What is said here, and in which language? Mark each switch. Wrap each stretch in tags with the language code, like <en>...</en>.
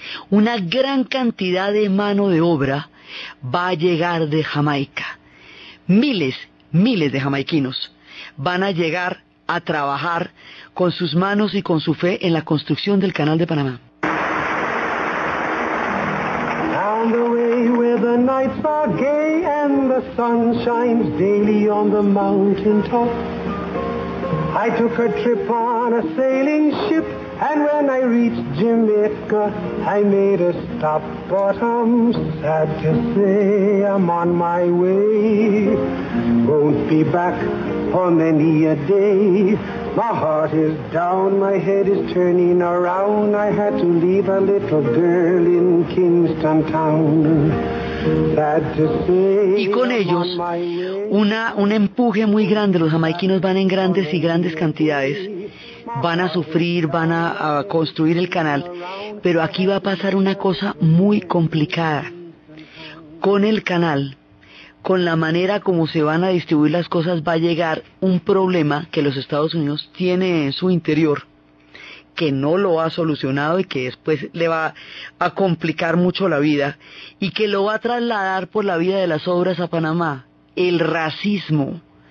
<es>Una gran cantidad de mano de obra va a llegar de Jamaica. Miles de jamaiquinos van a llegar a trabajar con sus manos y con su fe en la construcción del Canal de Panamá.</es> <en>Down the way where the nights are gay and the sun shines daily on the mountain top. I took a trip on a sailing ship. And when I reached Jamaica, I made a stop, but I'm sad to say I'm on my way. Won't be back for many a day. My heart is down, my head is turning around. I had to leave a little girl in Kingston Town.</en> <es>Y con ellos, un empuje muy grande. Los jamaiquinos van en grandes y grandes cantidades, van a sufrir, van a construir el canal, pero aquí va a pasar una cosa muy complicada. Con el canal, con la manera como se van a distribuir las cosas, va a llegar un problema que los Estados Unidos tiene en su interior, que no lo ha solucionado y que después le va a complicar mucho la vida, y que lo va a trasladar por la vía de las obras a Panamá: el racismo.</es>